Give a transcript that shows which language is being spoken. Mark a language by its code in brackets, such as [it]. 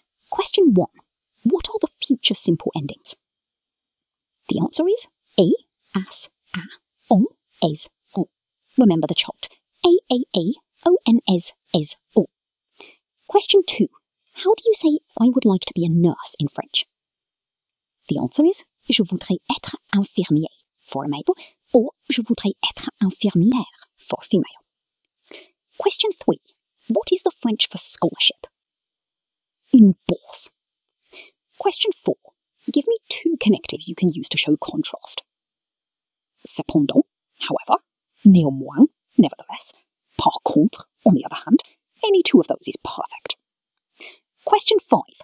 [en] Question one, what are the future simple endings? The answer is A, as, a, on, es, on. Remember the chart. A, o, n, es, o. Question two. How do you say I would like to be a nurse in French? The answer is [fr] je voudrais être infirmier [en] for a male or [fr] je voudrais être infirmière [en] for a female. Question three. What is the French for scholarship? Une bourse. Question four. Give me two connectives you can use to show contrast. Cependant, however, néanmoins, nevertheless, par contre, on the other hand, any two of those is perfect. Question 5.